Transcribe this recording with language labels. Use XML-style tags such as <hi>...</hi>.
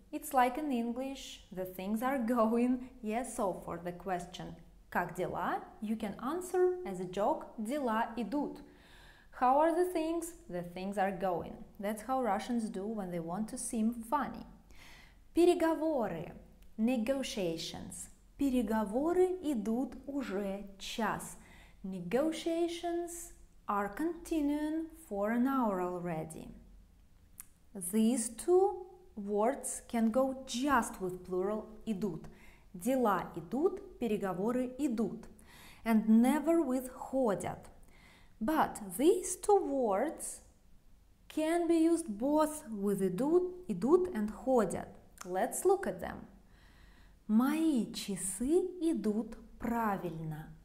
<en>It's like in English, the things are going. Yes, so for the question,</en> <ru>как дела?</ru> <en>You can answer as a joke,</en> <ru>дела идут.</ru> <en>How are the things? The things are going. That's how Russians do when they want to seem funny.</en> <ru>Переговоры.</ru> <en>Negotiations.</en> <ru>Переговоры идут уже час.</ru> <en>Negotiations are continuing for an hour already. These two words can go just with plural идут.</en> <ru>Дела идут, переговоры идут.</ru> <en>And never with ходят. But these two words can be used both with идут and ходят. Let's look at them.</en> <ru>Мои часы идут правильно.</ru>